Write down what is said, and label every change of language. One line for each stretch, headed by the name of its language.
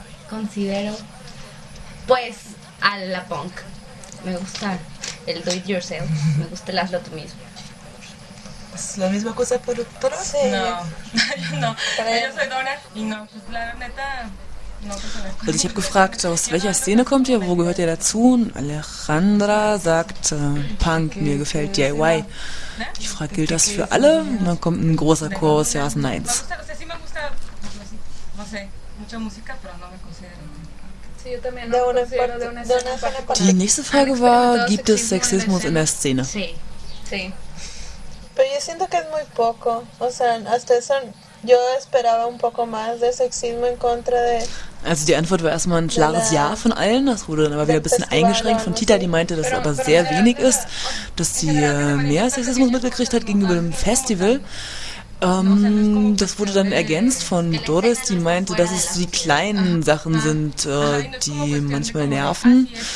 Spanish: Considero, pues, a la punk. Me gusta el
English: do it yourself.
Spanish: Me gusta el hazlo tú mismo. ¿Es la misma cosa por otra? No, sí. No. Yo soy Dora y no, pues la neta.
German: Also ich habe gefragt, aus welcher Szene kommt ihr, wo gehört ihr dazu? Und Alejandra sagt, Punk, mir gefällt DIY. Ich frage, gilt das für alle? Und dann kommt ein großer Chorus, ja, so nein. Die nächste Frage war, gibt es Sexismus in der Szene?
Spanish: Pero yo siento que es muy poco. O sea, hasta eso yo esperaba un poco más de sexismo en contra de.
German: Also die Antwort war erstmal ein klares Ja von allen, das wurde dann aber wieder ein bisschen eingeschränkt von Tita, die meinte, dass es aber sehr wenig ist, dass sie mehr Sexismus mitgekriegt hat gegenüber dem Festival. Das wurde dann ergänzt von Doris, die meinte, dass es die kleinen Sachen sind, die manchmal nerven.